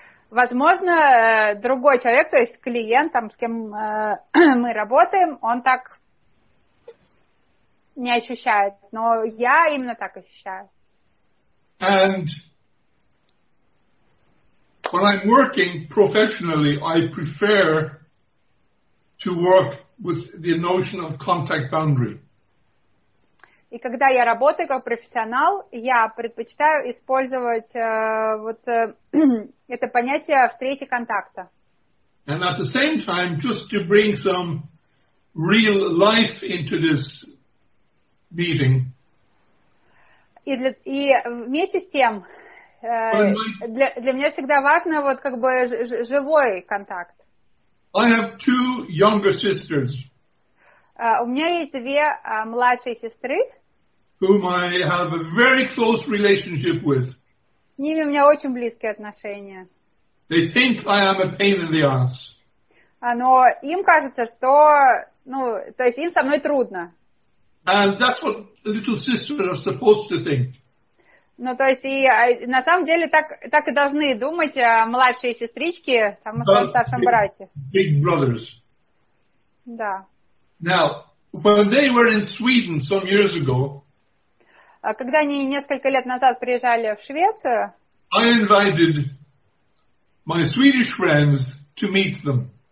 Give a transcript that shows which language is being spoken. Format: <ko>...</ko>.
<ru>Возможно, другой человек, то есть клиент, там, с кем мы работаем, он так не ощущает, но я именно так ощущаю.</ru> <en>And when I'm working professionally, I prefer to work with the notion of contact boundary.</en> <ru>И когда я работаю как профессионал, я предпочитаю использовать вот это понятие встречи контакта.</ru> <en>And at the same time, just to bring some real life into this meeting.</en> <ru>И вместе с тем, для меня всегда важно вот как бы живой контакт.</ru> <en>I have two younger sisters.</en> <ru>У меня есть две младшие сестры.</ru> <en>Whom I have a very close relationship with.</en> <ru>С ними у меня очень близкие отношения.</ru> <en>They think I am a pain in the ass.</en> <ru>Но им кажется, что, ну, то есть им со мной трудно.</ru> <en>And that's what little sisters are supposed to think.</en> <ru>Ну, то есть, и на самом деле так и должны думать младшие сестрички, там, и старшем брате.</ru> <en>Big brothers.</en> <ru>Да.</ru> <en>Now, when they were in Sweden some years ago,</en> <ru>когда они несколько лет назад приезжали в Швецию,</ru> <en>I invited my Swedish friends to meet them.</en>